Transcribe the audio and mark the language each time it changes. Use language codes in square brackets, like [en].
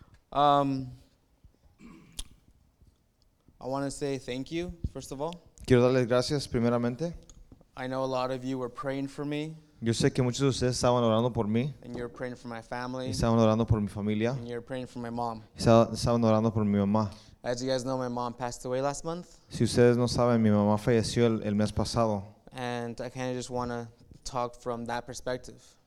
[en] I want to say thank you, first of all. [es] Quiero darles gracias primeramente. [en] I know a lot of you were praying for me. [es] Yo sé que muchos de ustedes estaban orando por mí. [en] And you're praying for my family. [es] Y estaban orando por mi familia. [en] And you're praying for my mom. [es] Y estaban orando por mi mamá. [en] As you guys know, my mom passed away last month. [es] Si ustedes no saben, mi mamá falleció el mes pasado. [en] And I kind of just want to talk from that perspective.